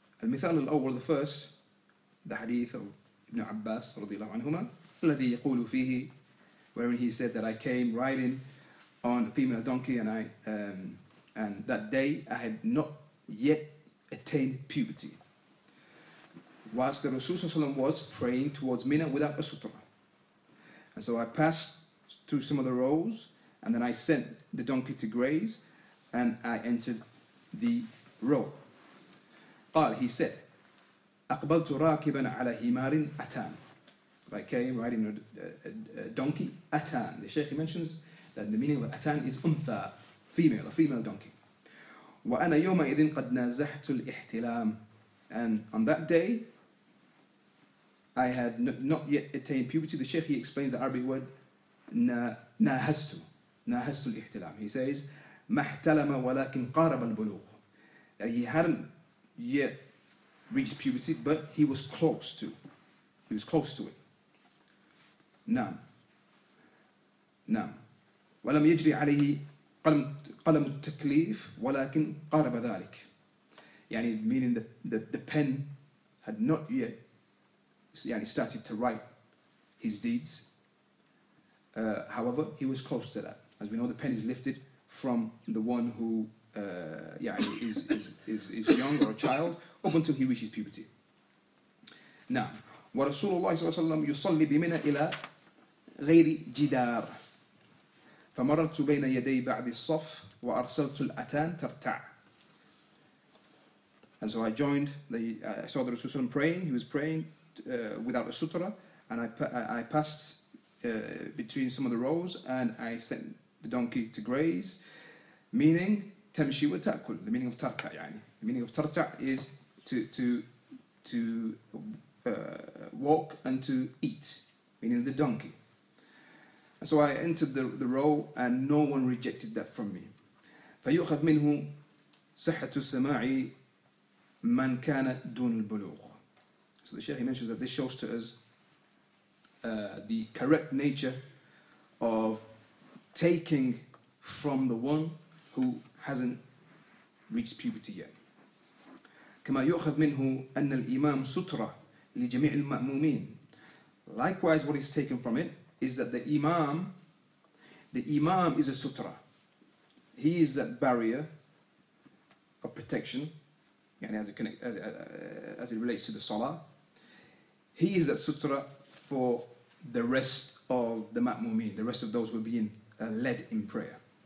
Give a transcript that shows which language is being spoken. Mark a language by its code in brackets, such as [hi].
[ar] Al-Mithal al-Awwal, [en] the first, the hadith of Ibn Abbas radiallahu anhuma, [ar] الذي يقول فيه, [en] wherein he said that I came riding on a female donkey, and I that day I had not yet attained puberty, whilst the Rasul was praying towards Mina without a sutra. And so I passed through some of the rows, and then I sent the donkey to graze, and I entered the row. [ar] قال, [en] he said, [ar] أقبلت راكبا على همار أتان. [en] I came riding a donkey, أتان. The Shaykh mentions that the meaning of أتان is أنثى, female, a female donkey. [ar] وأنا يومئذ قد نازحت الاحتلام. [en] And on that day, I had not yet attained puberty. The Shaykh, he explains the Arabic word, ناهستو الاحتلام. He says, [ar] ما احتلم ولكن قارب البلوغ. [en] That he hadn't yet reached puberty, but he was close to it. [ar] نعم. ولم يجري عليه قلم التكليف ولكن قارب ذلك. [en] يعني meaning the pen had not yet started to write his deeds. However, he was close to that. As we know, the pen is lifted from the one who is young or a child up until he reaches puberty. [ar] Now, ورسول الله صلى الله عليه وسلم يصلي بمنى إلى غير جدار. فمررت بين يدي بعض الصف وأرسلت الأتان ترتع. [en] And so I joined. I saw the Rasul praying. He was praying without a sutra, and I passed between some of the rows, and I sent the donkey to graze, meaning [ar] تمشي وتأكل. [en] The meaning of ترتع. يعني the meaning of ترتع is to walk and to eat, meaning the donkey. And so I entered the row, and no one rejected that from me. [ar] فيؤخذ منه صحة السماع من كان دون البلوغ. [en] So the Shaykh, he mentions that this shows to us the correct nature of taking from the one who hasn't reached puberty yet. [ar] كما يؤخذ منه أن الإمام سترة لجميع المأمومين. [en] Likewise, what is taken from it is that the Imam is a sutra. He is that barrier of protection, yani as it relates to the salah. He is a sutra for the rest of the ma'mumin, the rest of those who are being led in prayer.